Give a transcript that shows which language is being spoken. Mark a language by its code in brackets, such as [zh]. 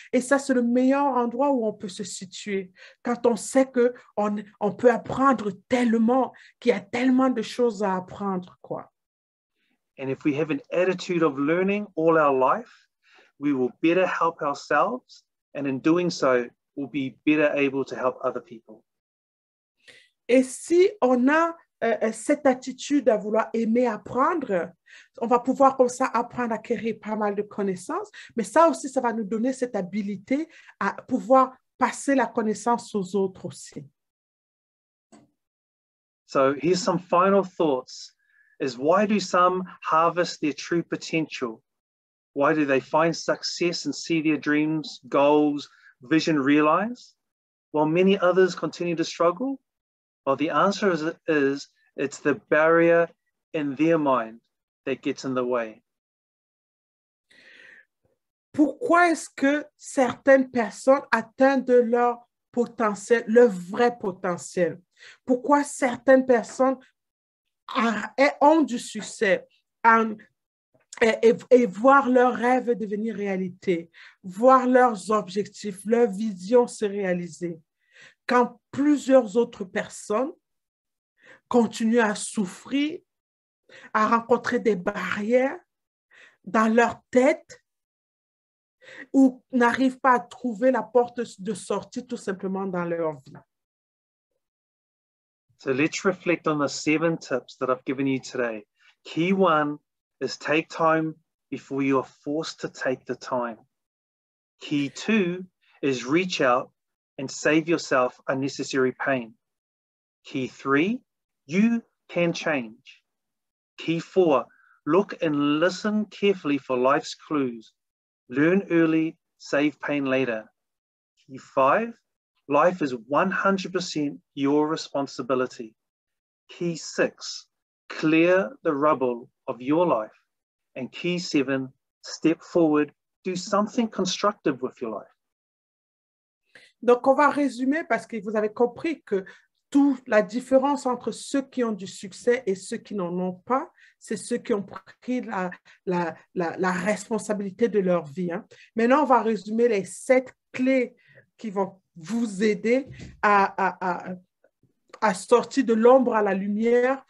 [fr] Et ça, c'est le meilleur endroit où on peut se situer. Quand on sait qu'on peut apprendre tellement, qu'il y a tellement de choses à apprendre, quoi. [en] And if we have an attitude of learning all our life, we will better help ourselves, and in doing so, we'll be better able to help other people. [fr] Et si on a cette attitude à vouloir aimer apprendre, on va pouvoir comme ça apprendre à acquérir pas mal de connaissances, mais ça aussi, ça va nous donner cette habilité à pouvoir passer la connaissance aux autres aussi. [en] So here's some final thoughts. Is why do some harvest their true potential? Why do they find success and see their dreams, goals, vision realized? While many others continue to struggle? Well, the answer is it's the barrier in their mind that gets in the way. [fr] Pourquoi est-ce que certaines personnes atteignent de leur potentiel, leur vrai potentiel? Pourquoi certaines personnes ont du succès et voir leurs rêves devenir réalité, voir leurs objectifs, leur vision se réaliser, quand plusieurs autres personnes continuent à souffrir, à rencontrer des barrières dans leur tête ou n'arrivent pas à trouver la porte de sortie tout simplement dans leur vie. [en] So let's reflect on the 7 tips that I've given you today. Key one is take time before you are forced to take the time. Key two is reach out and save yourself unnecessary pain. Key three, you can change. Key four, look and listen carefully for life's clues. Learn early, save pain later. Key five, life is 100% your responsibility. Key six, clear the rubble of your life. And key seven, step forward, do something constructive with your life. [fr] Donc, on va résumer parce que vous avez compris que toute la différence entre ceux qui ont du succès et ceux qui n'en ont pas, c'est ceux qui ont pris la responsabilité de leur vie. Hein. Maintenant, on va résumer les 7 clés qui vont vous aider à sortir de l'ombre à la lumière.